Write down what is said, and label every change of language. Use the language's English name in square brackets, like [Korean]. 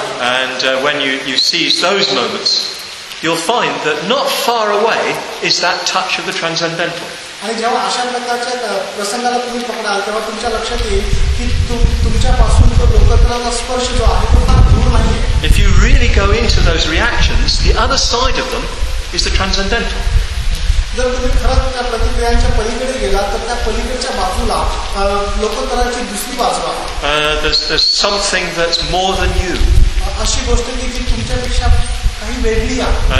[English] And when you seize those moments, you'll find that not far away is that touch of the transcendental. [Marathi] आणि जेव्हा अशा प्रकारच्या प्रसंगाला तुम्ही पकडाल तेव्हा तुमच्या लक्षात येईल की तुमच्यापासून तो लोकत्राचा स्पर्श जो आहे तो फार दूर नाही. [English] If you really go into those reactions, the other side of them is the transcendental. [Marathi] जर तुम्ही खरंच त्या प्रतिक्रियांच्या पलीकडे गेलात तर त्या पलीकडच्या बाजूला लोकत्राची दुसरी बाजू आहे. [English] There's something that's more than you. [Marathi] अशी गोष्ट आहे की तुमच्यापेक्षा काही वेगळी आहे.